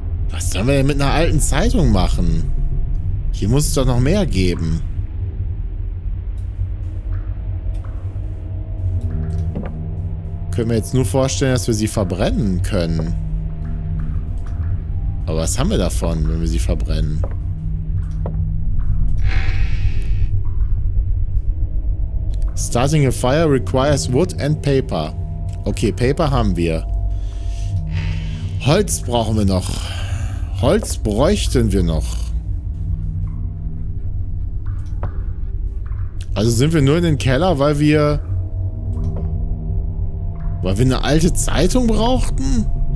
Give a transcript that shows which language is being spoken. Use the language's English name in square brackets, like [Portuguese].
[German] Was sollen wir denn mit einer alten Zeitung machen? Hier muss es doch noch mehr geben. Können wir jetzt nur vorstellen, dass wir sie verbrennen können. Aber was haben wir davon, wenn wir sie verbrennen? [English] Starting a fire requires wood and paper. [German] Okay, Paper haben wir. Holz brauchen wir noch. Holz bräuchten wir noch. Also sind wir nur in den Keller, weil wir... Weil wir eine alte Zeitung brauchten?